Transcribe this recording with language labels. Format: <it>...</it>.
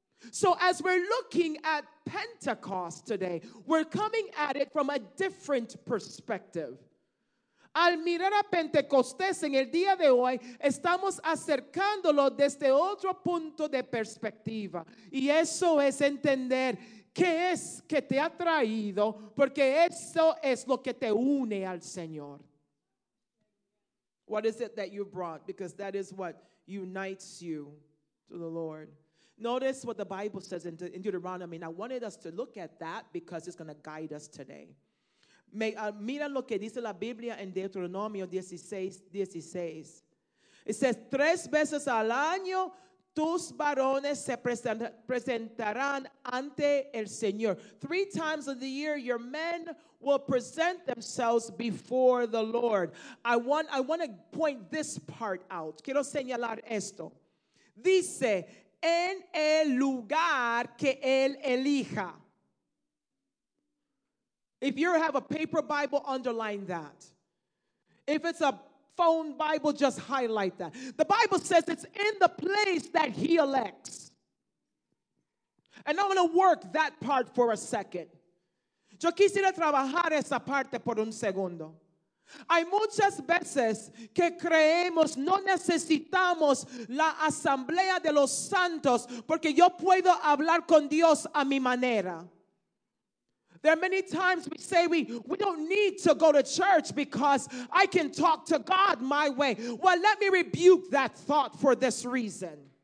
<en>So as we're looking at Pentecost today, we're coming at it from a different perspective.</en> <es>Al mirar a Pentecostés en el día de hoy, estamos acercándolo desde otro punto de perspectiva. Y eso es entender qué es que te ha traído, porque eso es lo que te une al Señor.</es> <en>What is it that you brought? Because that is what unites you to the Lord. Notice what the Bible says in Deuteronomy. And I wanted us to look at that because it's going to guide us today.</en> <es>Mira lo que dice la Biblia en Deuteronomio 16:16.</es> <en>It says,</en> <es>tres veces al año tus varones se presentarán ante el Señor.</es> <en>Three times of the year your men will present themselves before the Lord. I want to point this part out.</en> <es>Quiero señalar esto. Dice, en el lugar que él elija.</es> <en>If you have a paper Bible, underline that. If it's a phone Bible, just highlight that. The Bible says it's in the place that he elects. And I'm going to work that part for a second.</en> <es>Yo quisiera trabajar esa parte por un segundo. Hay muchas veces que creemos no necesitamos la asamblea de los santos porque yo puedo hablar con Dios a mi manera.</es> <en>There are many times we say we don't need to go to church because I can talk to God my way. Well, let me rebuke that thought for this reason.</en>